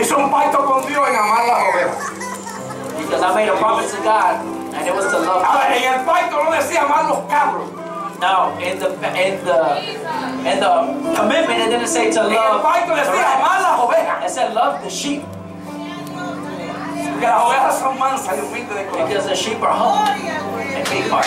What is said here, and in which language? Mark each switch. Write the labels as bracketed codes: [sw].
[es] Hice un pacto con Dios en amar las ovejas. [en] Because I made a promise to God, and it was to love God. [es] Ahora, en el pacto no decía amar los carros. [en] Now, in the commitment, it didn't say to love. [es] Pacto decía amar las ovejas. [en] It said love the sheep. [es] Porque las ovejas son mansas y humildes de corazón. [en] Because the sheep are humble and meek heart.